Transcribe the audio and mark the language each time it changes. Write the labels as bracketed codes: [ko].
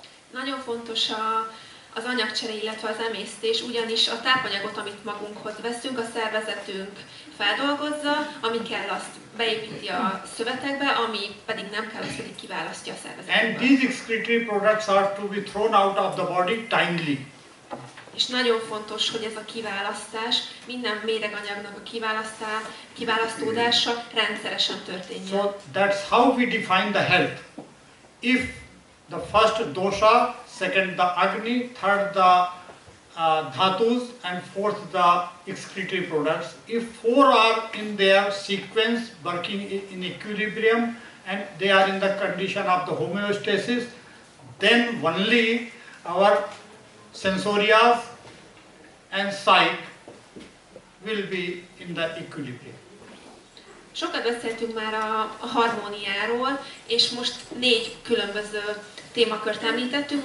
[hu] Nagyon fontos az anyagcsere, illetve az emésztés, ugyanis a tápanyagot, amit magunkhoz veszünk, a szervezetünk feldolgozza, ami kell, azt beépíti a szövetekbe, ami pedig nem kell, azt pedig kiválasztja a szervezetbe. [en] And these excretory products are to be thrown out of the body timely. [hu] És nagyon fontos, hogy ez a kiválasztás, minden méreganyagnak a kiválasztódása rendszeresen történjen. [en] So that's how we define the health. If the first dosha, second the agni, third the dhatus, and fourth the excretory products. If four are in their sequence, working in equilibrium, and they are in the condition of the homeostasis, then only our sensorias and sight will be in the equilibrium. [hu] Sokat beszéltünk már a harmóniáról, és most négy különböző témakört említettünk.